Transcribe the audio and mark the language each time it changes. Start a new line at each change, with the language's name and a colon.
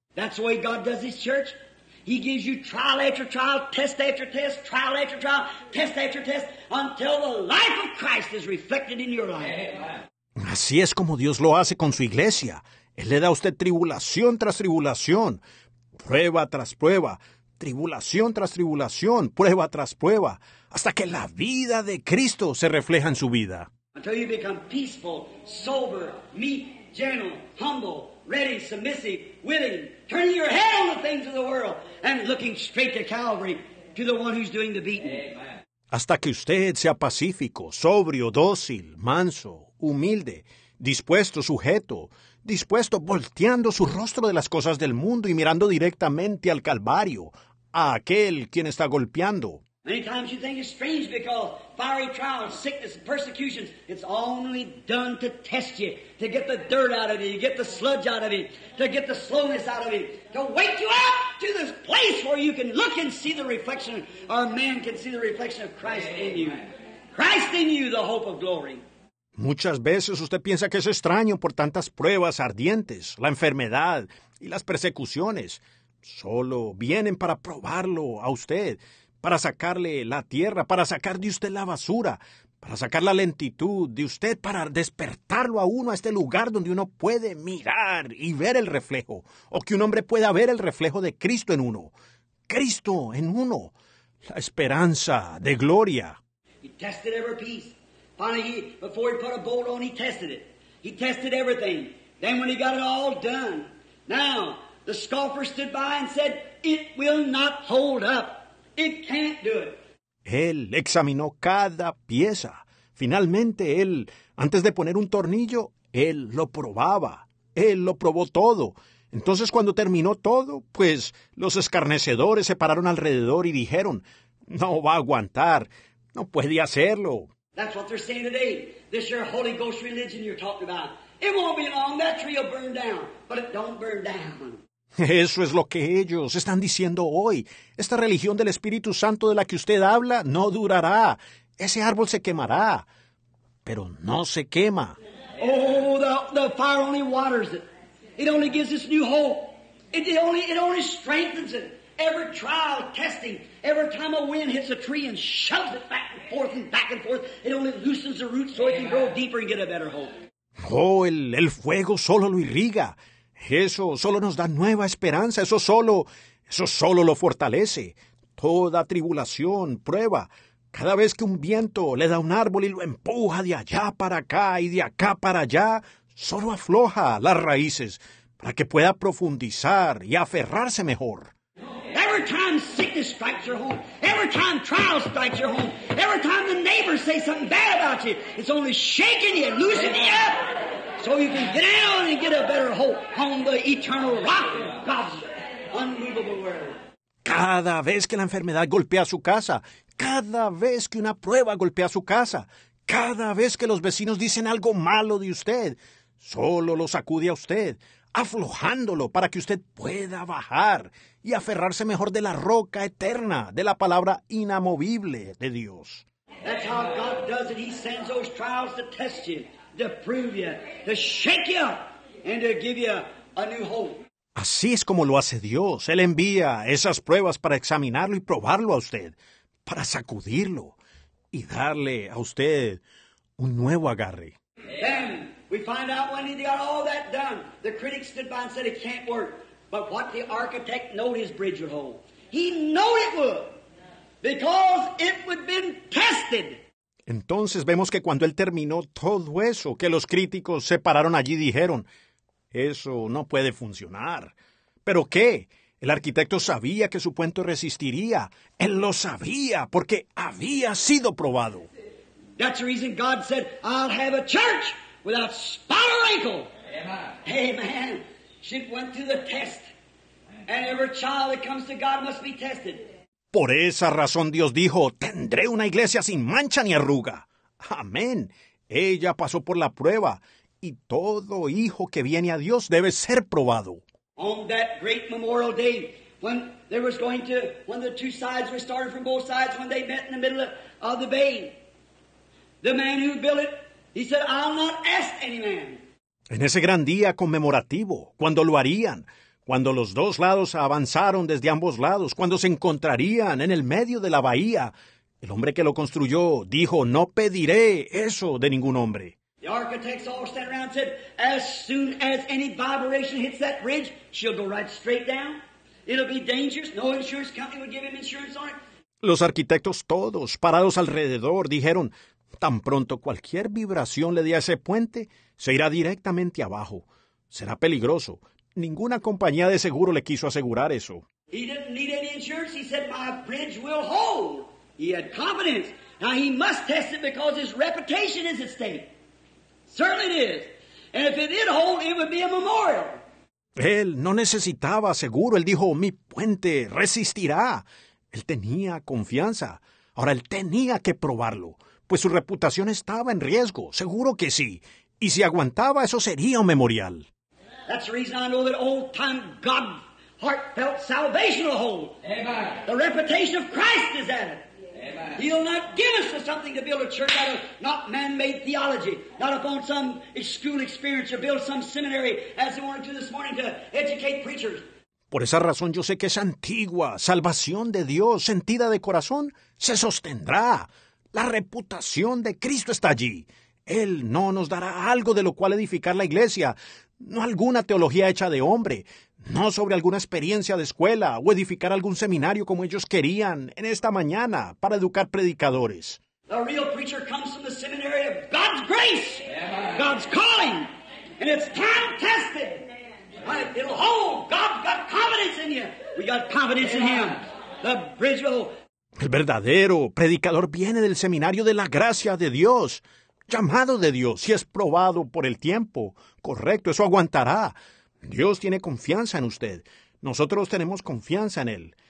English: That's the way God does his church. He gives you trial after trial, test after test, trial after trial, test after test, until the life of Christ is reflected in your life.
Spanish: Así es como Dios lo hace con su iglesia. Él le da a usted tribulación tras tribulación. Prueba tras prueba, tribulación tras tribulación, prueba tras prueba, hasta que la vida de Cristo se refleja en su vida.
English: Until you become peaceful, sober, meek, gentle, humble, ready, submissive, willing, turning your head on the things of the world and looking straight to Calvary, to the one who's doing the beating. Amen.
Spanish: Hasta que usted sea pacífico, sobrio, dócil, manso, humilde, dispuesto, sujeto, dispuesto, volteando su rostro de las cosas del mundo y mirando directamente al Calvario, a aquel quien está golpeando.
English: Many times you think it's strange because fiery trials, sickness, persecutions, it's only done to test you, to get the dirt out of you, to get the sludge out of you, to get the slowness out of you, to wake you up to this place where you can look and see the reflection, or a man can see the reflection of Christ in you. Christ in you, the hope of glory.
Spanish: Muchas veces usted piensa que es extraño por tantas pruebas ardientes, la enfermedad y las persecuciones. Solo vienen para probarlo a usted, para sacarle la tierra, para sacar de usted la basura, para sacar la lentitud de usted, para despertarlo a uno a este lugar donde uno puede mirar y ver el reflejo, o que un hombre pueda ver el reflejo de Cristo en uno. Cristo en uno, la esperanza de gloria.
English: He tested every piece. Finally, before he put a bolt on, he tested it. He tested everything. Then when he got it all done, now the scoffer stood by and said, it will not hold up. It can't do it.
Spanish: Él examinó cada pieza. Finalmente, él, antes de poner un tornillo, él lo probaba. Él lo probó todo. Entonces, cuando terminó todo, pues, los escarnecedores se pararon alrededor y dijeron, no va a aguantar. No puede hacerlo.
English: That's what they're saying today. This your Holy Ghost religion you're talking about. It won't be long. That tree will burn down. But it don't burn down.
Spanish: Eso es lo que ellos están diciendo hoy. Esta religión del Espíritu Santo de la que usted habla no durará. Ese árbol se quemará. Pero no se quema.
English: Oh, the fire only waters it. It only gives us new hope. It only strengthens it. Every trial, testing, every time a wind hits a tree and shoves it back and forth and back and forth, it only loosens the roots so it can grow deeper and get a better hope.
Spanish: Oh, el fuego solo lo irriga. Eso solo nos da nueva esperanza. Eso solo lo fortalece. Toda tribulación, prueba. Cada vez que un viento le da un árbol y lo empuja de allá para acá y de acá para allá, solo afloja las raíces para que pueda profundizar y aferrarse mejor.
English: Every time sickness strikes your home, every time trial strikes your home, every time the neighbors say something bad about you, it's only shaking you, loosening you up, so you can get out and get a better hope on the eternal rock, God's unmovable word.
Spanish: Cada vez que la enfermedad golpea su casa, cada vez que una prueba golpea su casa, cada vez que los vecinos dicen algo malo de usted, solo lo sacude a usted, aflojándolo para que usted pueda bajar y aferrarse mejor de la roca eterna, de la palabra inamovible de Dios.
English: That's how God does it. He sends those trials to test you, to prove you, to shake you up, and to give you a new hope.
Spanish: Así es como lo hace Dios. Él envía esas pruebas para examinarlo y probarlo a usted, para sacudirlo y darle a usted un nuevo agarre.
English: Then we find out when he got all that done, the critics stood by and said it can't work. But what the architect knew his bridge would hold. He knew it would, because it would have been tested.
Spanish: Entonces vemos que cuando él terminó todo eso, que los críticos se pararon allí y dijeron, eso no puede funcionar. ¿Pero qué? El arquitecto sabía que su puente resistiría. Él lo sabía porque había sido probado.
English: That's the reason God said, I'll have a church without spot or wrinkle. Amen. She went through the test. And every child that comes to God must be tested.
Spanish: Por esa razón Dios dijo, tendré una iglesia sin mancha ni arruga. Amén. Ella pasó por la prueba. Y todo hijo que viene a Dios debe ser probado.
English: On that great memorial day, when there was going to, when the two sides were started from both sides, when they met in the middle of the bay, the man who built it, he said, I'll not ask any man.
Spanish: En ese gran día conmemorativo, cuando lo harían, cuando los dos lados avanzaron desde ambos lados, cuando se encontrarían en el medio de la bahía, el hombre que lo construyó dijo, no pediré eso de ningún hombre.
English: The architects all stand around and said, as soon as any vibration hits that bridge, she'll go right straight down. It'll be dangerous. No insurance company would give him insurance on it.
Spanish: Los arquitectos todos, parados alrededor, dijeron, tan pronto cualquier vibración le dé a ese puente, se irá directamente abajo. Será peligroso. Ninguna compañía de seguro le quiso asegurar eso.
English: He didn't need any insurance. He said, my bridge will hold. He had confidence. Now he must test it because his reputation is at stake. Certainly it is. And if it did hold, it would be a memorial.
Spanish: Él no necesitaba seguro. Él dijo, mi puente resistirá. Él tenía confianza. Ahora, él tenía que probarlo, pues su reputación estaba en riesgo. Seguro que sí. Y si aguantaba, eso sería un memorial.
English: That's the reason I know that old-time God heartfelt salvation will hold. Amen. The reputation of Christ is at it. Amen. He'll not give us something to build a church out of, not man-made theology, not upon some school experience or build some seminary as they wanted to this morning to educate preachers.
Spanish: Por esa razón yo sé que esa antigua salvación de Dios sentida de corazón se sostendrá. La reputación de Cristo está allí. Él no nos dará algo de lo cual edificar la iglesia, no alguna teología hecha de hombre, no sobre alguna experiencia de escuela o edificar algún seminario como ellos querían en esta mañana para educar predicadores.
English: The real preacher comes from the seminary of God's grace, yeah. God's calling, and it's time tested. Right, it'll hold. God's got confidence in you. We got confidence in him. The bridge will hold.
Spanish: El verdadero predicador viene del seminario de la gracia de Dios, llamado de Dios, si es probado por el tiempo. Correcto, eso aguantará. Dios tiene confianza en usted. Nosotros tenemos confianza en él.